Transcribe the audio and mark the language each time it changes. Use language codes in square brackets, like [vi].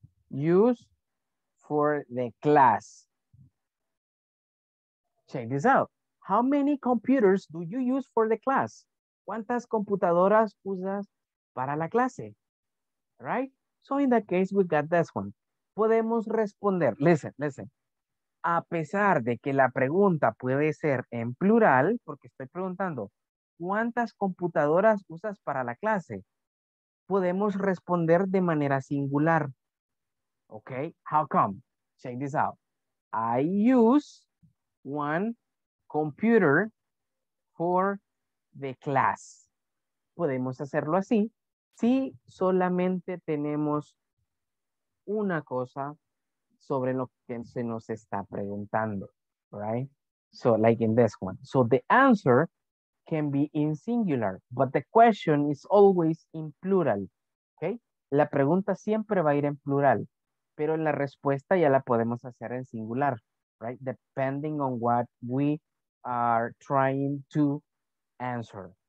[en] use for the class. Check this out. How many computers do you use for the class? [es] ¿Cuántas computadoras usas para la clase? [en] Right? So in that case, we got this one. [es] Podemos responder. [en] Listen, listen. [es] A pesar de que la pregunta puede ser en plural, porque estoy preguntando, ¿cuántas computadoras usas para la clase? Podemos responder de manera singular. [en] Okay, how come? Check this out. I use one computer for the class. [es] Podemos hacerlo así si solamente tenemos una cosa sobre lo que se nos está preguntando, right? [en] So like in this one. So the answer can be in singular, but the question is always in plural, okay? [es] La pregunta siempre va a ir en plural, pero la respuesta ya la podemos hacer en singular, right? [en] Depending on what we are trying to answer.